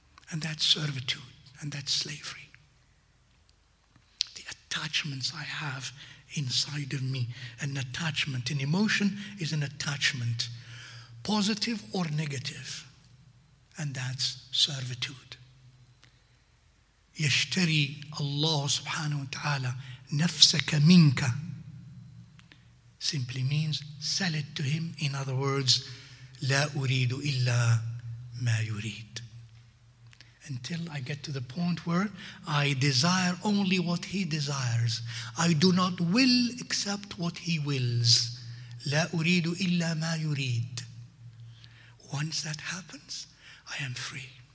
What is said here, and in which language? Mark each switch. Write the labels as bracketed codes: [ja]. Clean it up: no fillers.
[en] And that's servitude, and that's slavery. The attachments I have inside of me, an attachment, an emotion is an attachment, positive or negative, and that's servitude. [ar] يشتري الله سبحانه وتعالى نفسك منك [en] simply means sell it to him. In other words, [ar] لا أريد إلا ما يريد. [en] Until I get to the point where I desire only what he desires. I do not will except what he wills. [ar] لا أريد إلا ما يريد. [en] Once that happens, I am free.